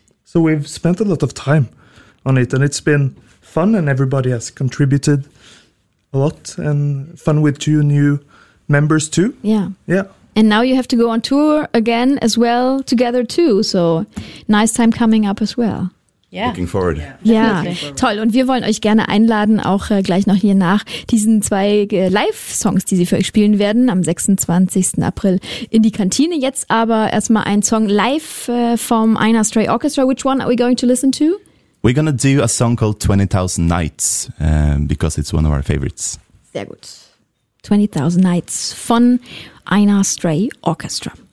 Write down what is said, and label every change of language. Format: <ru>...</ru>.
<en>So we've spent a lot of time on it, and it's been fun, and everybody has contributed a lot, and fun with two new members too. Yeah. Yeah. And now you have to go on tour again as well together too, so nice time coming up as well. Yeah. Looking forward.</en> <de>Yeah. Ja, toll. Und wir wollen euch gerne einladen, auch gleich noch hier nach diesen zwei Live-Songs, die sie für euch spielen werden, am 26. April in die Kantine. Jetzt aber erstmal ein Song live vom Einar Stray Orchestra.</de> <en>Which one are we going to listen to? We're gonna do a song called 20,000 Nights, because it's one of our favorites.</en> <de>Sehr gut. 20,000 Nights von Einar Stray Orchestra.</de>